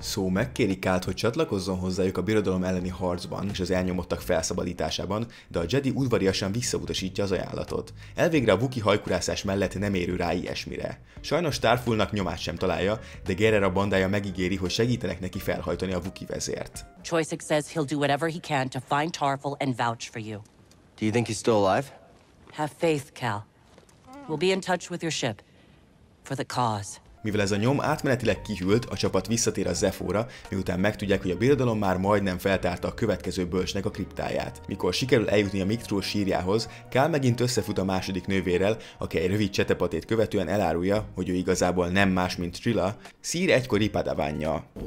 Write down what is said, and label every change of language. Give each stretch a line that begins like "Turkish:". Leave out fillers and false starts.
Hungarian: Saw megkéri Calt, hogy csatlakozzon hozzájuk a birodalom elleni harcban és az elnyomottak felszabadításában, de a Jedi udvariasan visszautasítja az ajánlatot. Elvégre a Wookiee hajkurászás mellett nem érő rá ilyesmire. Sajnos Tarfulnak nyomát sem találja, de Gerrer a bandája megígéri, hogy segítenek neki felhajtani a Wookiee vezért.
English: Choisek says he'll do whatever he can to find Tarful and vouch for you. Do you think he's still alive? Have faith, Cal. We'll be in touch with your ship for the cause.
Hungarian: Mivel ez a nyom átmenetileg kihűlt, a csapat visszatér a Zephóra, miután megtudják, hogy a birodalom már majdnem feltárta a következő bölcsnek a kriptáját. Mikor sikerül eljutni a Mictrul sírjához, Cal megint összefut a második nővérrel, aki egy rövid csetepatét követően elárulja, hogy ő igazából nem más, mint Trilla, Szír egykori padavánja.